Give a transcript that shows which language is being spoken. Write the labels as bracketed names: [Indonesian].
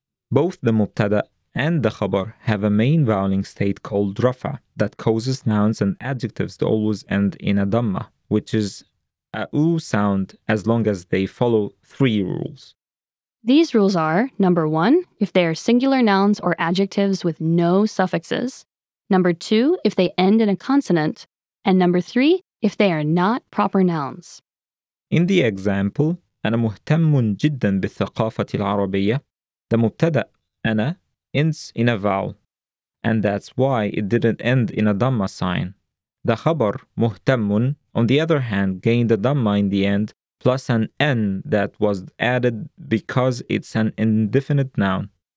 [English] Both the mubtada and the khabar have a main voweling state called rafa that causes nouns and adjectives to always end in a dhamma, which is a oo sound as long as they follow three rules. These rules are, number one, if they are singular nouns or adjectives with no suffixes, number two, if they end in a consonant, And number three, if they are not proper nouns. In the example, [Arabic] أنا مهتم جدا بالثقافة العربية. [English] The مبتدأ أنا ends in a vowel. And that's why it didn't end in a Dhamma sign. The خبر مهتم, on the other hand, gained a Dhamma in the end, plus an N that was added because it's an indefinite noun.